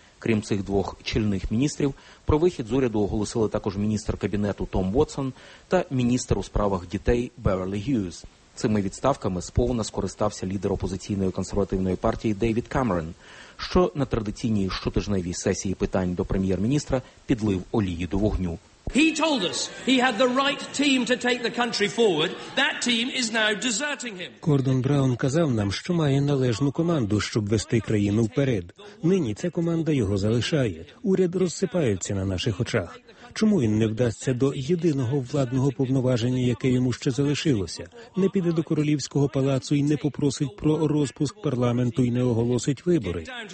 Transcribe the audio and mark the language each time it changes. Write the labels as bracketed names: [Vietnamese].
[Ukrainian] Крім цих двох чільних міністрів, про вихід з уряду оголосили також міністр кабінету Том Вотсон та міністр у справах дітей Беверлі Гьюз. Цими відставками сповна скористався лідер опозиційної консервативної партії Дейвід Камерон, що на традиційній щотижневій сесії питань до прем'єр-міністра підлив олії до вогню. [English] He told us he had the right team to take the country forward. That team is now deserting him. [Ukrainian] Гордон Браун казав нам, що має належну команду, щоб вести країну вперед. Нині ця команда його залишає. Уряд розсипається на наших очах. Чому він не вдасться до єдиного владного повноваження, яке йому ще залишилося? Не піде до Королівського палацу і не попросить про розпуск парламенту і не оголосить вибори?